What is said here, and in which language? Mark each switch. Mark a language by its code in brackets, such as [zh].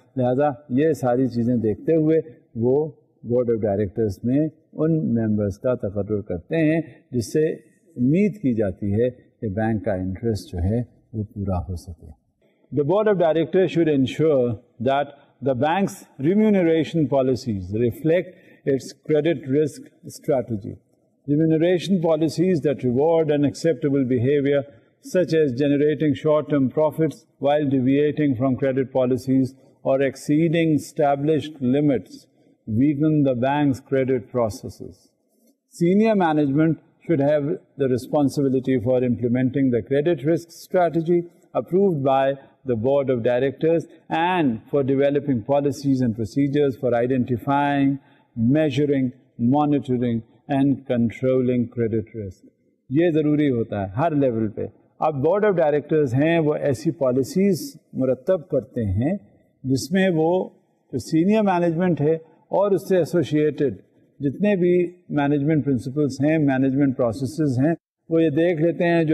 [ur] لہذا یہ ساری چیزیں دیکھتے ہوئے وہ بورڈ آف ڈائریکٹرز میں ان ممبرز کا تقرر کرتے ہیں جس سے امید کی جاتی ہے کہ بینک کا انٹرسٹ جو ہے وہ پورا ہو سکے. [en] The board of directors should ensure that the banks remuneration policies reflect its credit risk strategy. Remuneration policies that reward unacceptable behavior such as generating short-term profits while deviating from credit policies or exceeding established limits weaken the bank's credit processes. Senior management should have the responsibility for implementing the credit risk strategy approved by the board of directors and for developing policies and procedures for identifying, measuring, monitoring and controlling credit risk. [ur] یہ ضروری ہوتا ہے ہر level پہ. اب board of directors ہیں وہ ایسی policies مرتب کرتے ہیں جس میں وہ جو سینئر مینجمنٹ ہے اور اس سے ایسوشیٹڈ جتنے بھی مینجمنٹ پرنسپلس ہیں, مینجمنٹ پروسیسز ہیں, وہ یہ دیکھ لیتے ہیں.